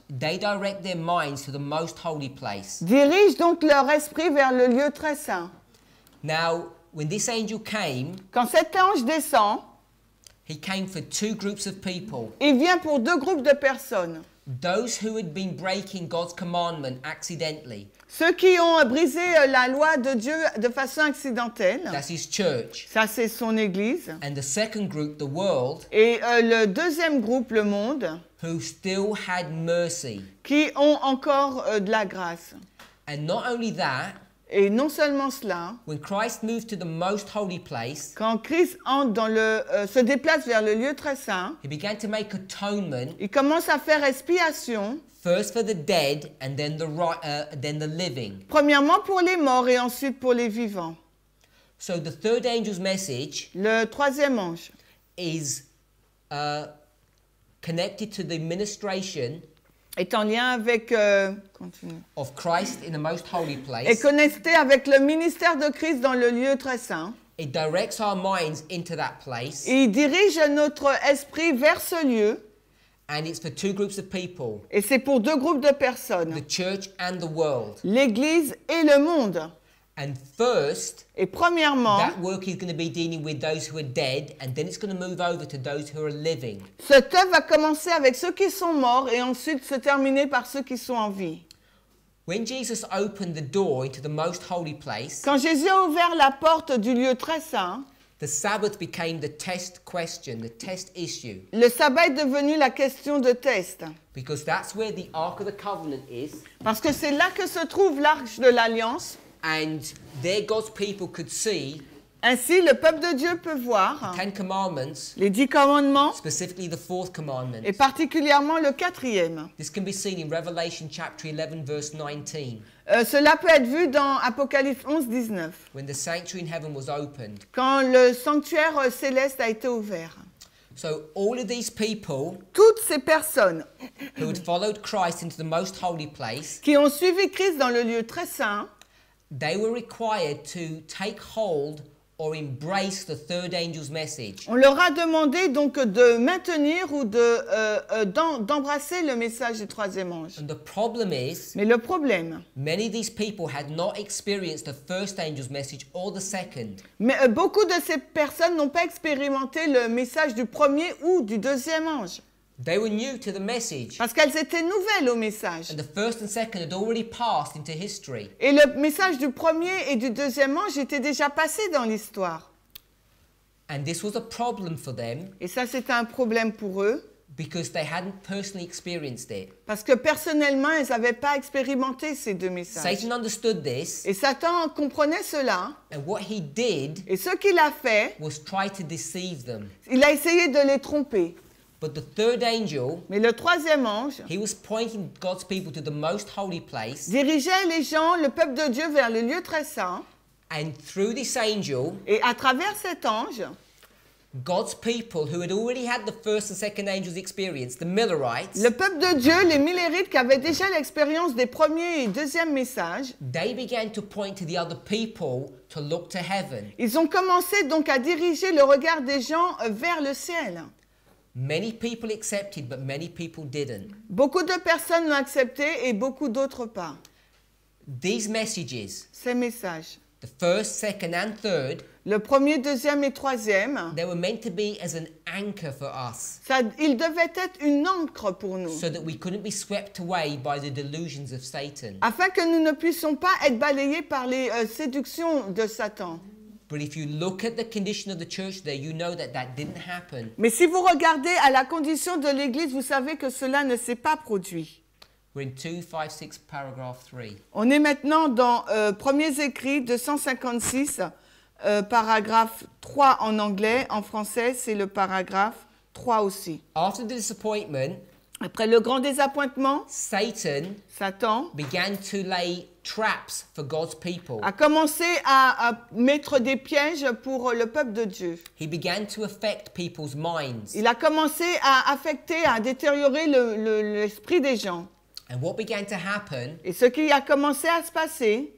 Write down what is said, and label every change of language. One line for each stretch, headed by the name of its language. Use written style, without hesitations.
English: they direct their minds to the most holy place.
French: Dirigent donc leur esprit vers le lieu très saint.
English: Now, when this angel came,
French: quand cet ange descend,
English: he came for two groups of people.
French: Il vient pour deux groupes de personnes.
English: Those who had been breaking God's commandment accidentally.
French: Ceux qui ont brisé la loi de Dieu de façon accidentelle.
English: That's his church.
French: Ça, c'est son église.
English: And the second group, the world.
French: Et le deuxième groupe, le monde.
English: Who still had mercy.
French: Qui ont encore de la grâce.
English: And not only that.
French: Et non seulement cela.
English: When Christ moved to the most holy place.
French: Quand Christ entre dans se déplace vers le lieu très saint.
English: He began to make atonement.
French: Il commence à faire expiation.
English: First for the dead and then the living.
French: Premièrement pour les morts et ensuite pour les vivants.
English: So the third angel's message.
French: Le troisième ange.
English: Is connected to the ministration.
French: Est en lien avec
English: of Christ in the most holy place.
French: Est connecté avec le ministère de Christ dans le lieu très saint.
English: It directs our minds into that place.
French: Il dirige notre esprit vers ce lieu.
English: And it's for two groups of people.
French: Et c'est pour deux groupes de personnes.
English: The church and the world.
French: L'église et le monde.
English: And first,
French: et premièrement,
English: that work is going to be dealing with those who are dead, and then it's going to move over to those who are living.
French: Cette œuvre va commencer avec ceux qui sont morts et ensuite se terminer par ceux qui sont en vie.
English: When Jesus opened the door into the most holy place,
French: quand Jésus a ouvert la porte du lieu très saint,
English: the Sabbath became the test question, the test issue.
French: Le sabbat est devenu la question de test.
English: Because that's where the Ark of the Covenant is.
French: Parce que c'est là que se trouve l'Arche de l'Alliance.
English: And there God's people could see.
French: Ainsi, le peuple de Dieu peut voir.
English: The Ten Commandments.
French: Les dix commandements.
English: Specifically the fourth commandment.
French: Et particulièrement le quatrième.
English: This can be seen in Revelation chapter 11 verse 19.
French: Cela peut être vu dans Apocalypse 11, 19.
English: When the sanctuary in heaven was opened.
French: Quand le sanctuaire céleste a été ouvert.
English: So all of these people.
French: Toutes ces personnes.
English: Who had followed Christ into the most holy place.
French: Qui ont suivi Christ dans le lieu très saint.
English: They were required to take hold or embrace the third angel's message.
French: On leur a demandé donc de maintenir ou de d'embrasser le message du troisième ange.
English: And the problem is.
French: Mais le problème.
English: Many of these people had not experienced the first angel's message or the second.
French: Mais beaucoup de ces personnes n'ont pas expérimenté le message du premier ou du deuxième ange.
English: They were new to the message.
French: Parce qu'elles étaient nouvelles au message.
English: And the first and second had already passed into history.
French: Et le message du premier et du deuxième ange était déjà passé dans l'histoire.
English: And this was a problem for them.
French: Et ça, c'était un problème pour eux.
English: Because they hadn't personally experienced it.
French: Parce que personnellement, elles n'avaient pas expérimenté ces deux messages.
English: Satan understood this.
French: Et Satan comprenait cela.
English: And what he did.
French: Et ce qu'il a fait.
English: Was try to deceive them.
French: Il a essayé de les tromper.
English: But the third angel,
French: mais le troisième ange,
English: he was pointing God's people to the most holy place.
French: Dirigeait les gens, le peuple de Dieu, vers le lieu très saint.
English: And through this angel,
French: et à travers cet ange,
English: God's people who had already had the first and second angels experience, the Millerites,
French: le peuple de Dieu, les Millerites qui avaient déjà l'expérience des premiers et deuxièmes messages,
English: they began to point to the other people to look to heaven.
French: Ils ont commencé donc à diriger le regard des gens vers le ciel.
English: Many people accepted, but many people didn't.
French: Beaucoup de personnes l'ont accepté et beaucoup d'autres pas.
English: These messages,
French: ces messages,
English: the first, second, and third,
French: le premier, deuxième et troisième,
English: they were meant to be as an anchor for us.
French: Ça, ils devaient être une ancre pour nous.
English: So that we couldn't be swept away by the delusions of Satan.
French: Afin que nous ne puissions pas être balayés par les séductions de Satan.
English: But if you look at the condition of the church there, you know that that didn't happen.
French: Mais si vous regardez à la condition de l'église, vous savez que cela ne s'est pas produit.
English: We're in 256, paragraph 3.
French: On est maintenant dans Premiers Écrits 256, paragraphe 3 en anglais. En français, c'est le paragraphe 3 aussi.
English: After the disappointment,
French: après le grand désappointement,
English: Satan began to lay traps for God's people.
French: A commencé à mettre des pièges pour le peuple de Dieu.
English: He began to affect people's minds.
French: Il a commencé à affecter, à détériorer l'esprit des gens.
English: And what began to happen,
French: et ce qui a commencé à se passer,